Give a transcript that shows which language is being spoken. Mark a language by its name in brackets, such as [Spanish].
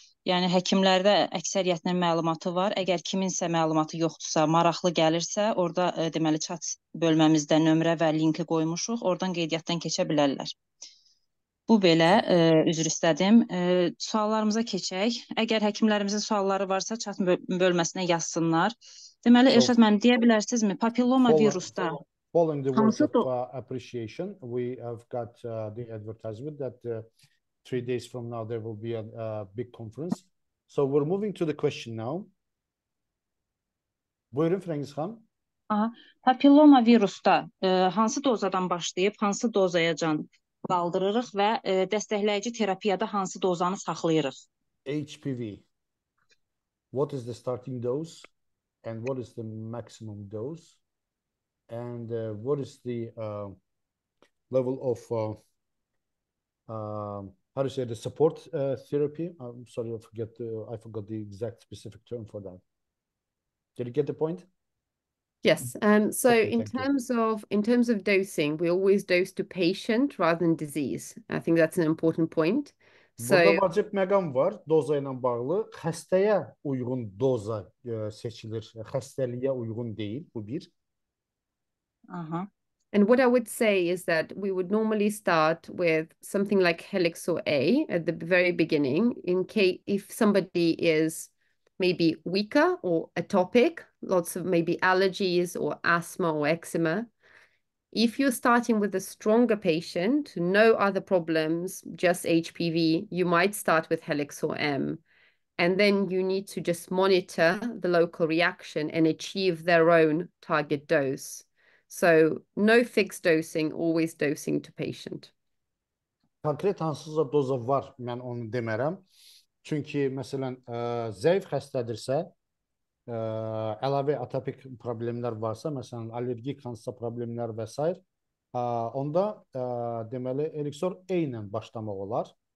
[Azerbaijani] Yəni, həkimlərdə əksəriyyətinin məlumatı var. Əgər kiminsə məlumatı yoxdursa, maraqlı gəlirsə, orada deməli chat bölməmizdə nömrə və linki qoymuşuq. Oradan qeydiyyatdan keçə bilərlər. Bu belə, üzr istədim. Suallarımıza keçək. Əgər həkimlərimizin sualları varsa, chat bölməsinə yazsınlar. Deməli, Elşad müəllim, deyə bilərsinizmi? Papilloma virusda. [English] Following the words of appreciation, we have got the advertisement that 3 days from now there will be a big conference. So we're moving to the question now. [Azerbaijani] Buyurun, Frangis xan. Papilloma virusda hansı dozadan başlayıb, hansı dozaya can qaldırırıq və dəstəkləyici terapiyada hansı dozanı saxlayırıq? [English] HPV. What is the starting dose and what is the maximum dose and what is the level of how do you say the support therapy? I'm sorry, I forgot the exact specific term for that. Did you get the point? Yes. So okay, in terms of dosing, we always dose to patient rather than disease. I think that's an important point. So [Azerbaijani] burada vacib məqam var, doza ilə bağlı. Xəstəyə uyğun doza seçilir. Xəstəliyə uyğun deyil, bu bir. [English] And what I would say is that we would normally start with something like Helix or A at the very beginning, in case if somebody is maybe weaker or atopic, lots of maybe allergies or asthma or eczema. If you're starting with a stronger patient, no other problems, just HPV, you might start with Helix or M. And then you need to just monitor the local reaction and achieve their own target dose. So no fixed dosing, always dosing to patient. [Azerbaijani] Konkret hansısa doza var, mən onu demərəm. Çünki məsələn, zəif xəstədirsə, əlavə atopik problemlər varsa, məsələn, allergik hansısa problemlər və s. onda deməli Elixor A ilə başlamaq olar.